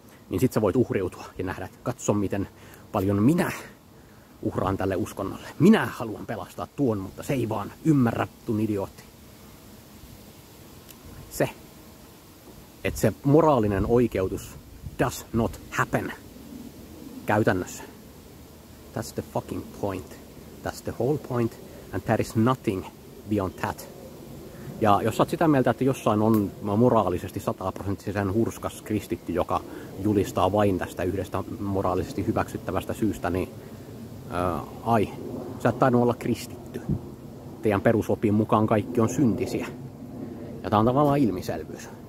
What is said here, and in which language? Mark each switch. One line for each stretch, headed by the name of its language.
Finnish: Niin sit sä voit uhriutua ja nähdä, että katso miten paljon minä uhraan tälle uskonnolle. Minä haluan pelastaa tuon, mutta se ei vaan ymmärrä, tun idiootti. Se, että se moraalinen oikeutus
English: does not happen
Finnish: käytännössä.
English: That's the fucking point. That's the whole point. And there is nothing beyond that.
Finnish: Ja jos sä oot sitä mieltä, että jossain on moraalisesti 100-prosenttisen hurskas kristitty, joka julistaa vain tästä yhdestä moraalisesti hyväksyttävästä syystä, niin sä et tainnut olla kristitty. Teidän perusopin mukaan kaikki on syntisiä. Ja tää on tavallaan ilmiselvyys.